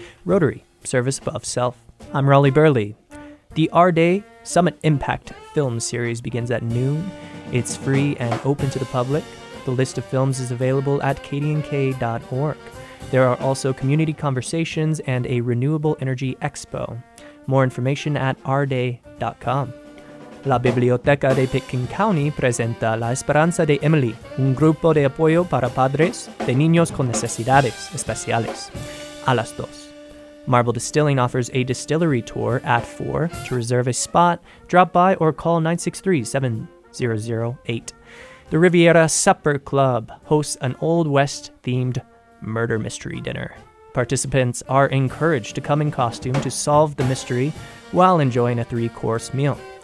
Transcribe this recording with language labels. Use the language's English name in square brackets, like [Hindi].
[English] Rotary, service above self. I'm Raleigh Burley. The R-Day Summit Impact film series begins at noon. It's free and open to the public. The list of films is available at kdnk.org. There are also community conversations and a renewable energy expo. More information at rday.com. [Spanish] La Biblioteca de Pitkin County presenta La Esperanza de Emily, un grupo de apoyo para padres de niños con necesidades especiales, a las 2. [English] Marble Distilling offers a distillery tour at 4. To reserve a spot, drop by or call 963-7008. The Riviera Supper Club hosts an Old West-themed murder mystery dinner. Participants are encouraged to come in costume to solve the mystery while enjoying a 3-course meal.